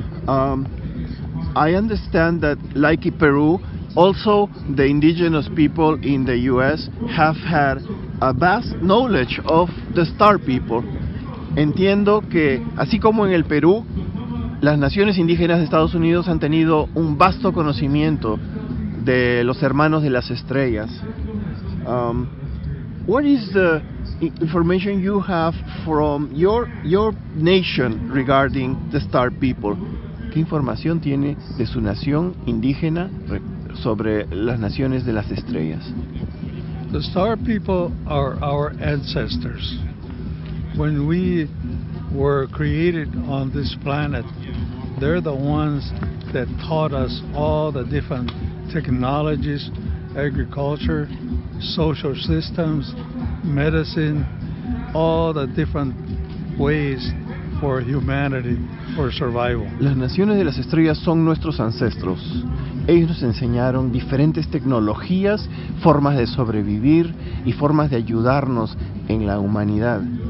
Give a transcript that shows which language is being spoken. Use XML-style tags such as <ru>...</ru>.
<en>I understand that, like in Peru, also the indigenous people in the U.S. have had a vast knowledge of the star people.</en> <es>Entiendo que, así como en el Perú, las naciones indígenas de Estados Unidos han tenido un vasto conocimiento de los hermanos de las estrellas.</es> <en>What is the information you have from your nation regarding the star people?</en> <es>¿Qué información tiene de su nación indígena sobre las naciones de las estrellas?</es> <en>The star people are our ancestors. When we were created on this planet, they're the ones that taught us all the different technologies, agriculture, social systems, medicine, all the different ways for humanity for survival.</en> <es>Las naciones de las estrellas son nuestros ancestros. Ellos nos enseñaron diferentes tecnologías, formas de sobrevivir y formas de ayudarnos en la humanidad.</es>